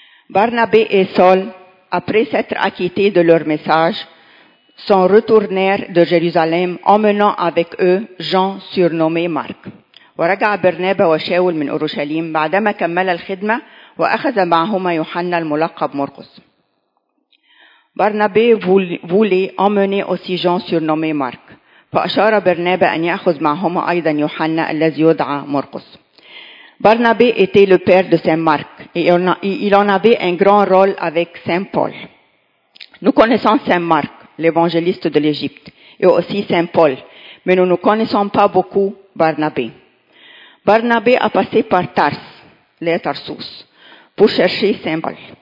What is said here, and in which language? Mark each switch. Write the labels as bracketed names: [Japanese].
[French] Barnabé et Saul, après s'être acquittés de leur message, sont retournés de Jérusalem, emmenant avec eux Jean, surnommé Marc. [Arabic] ورجع برنابا وشاول من أورشليم بعدما كمل الخدمة وأخذ معهما يوحنا الملقب مرقس. [French] Barnabé voulait emmener aussi Jean, surnommé Marc. [Arabic] فأشار برنابا أن يأخذ معهما أيضا يوحنا الذي يدعى مرقس. [French] Barnabé était le père de Saint-Marc et il en avait un grand rôle avec Saint-Paul. Nous connaissons Saint-Marc, l'évangéliste de l'Égypte, et aussi Saint-Paul, mais nous ne connaissons pas beaucoup Barnabé. Barnabé a passé par Tarsus, pour chercher Saint-Paul.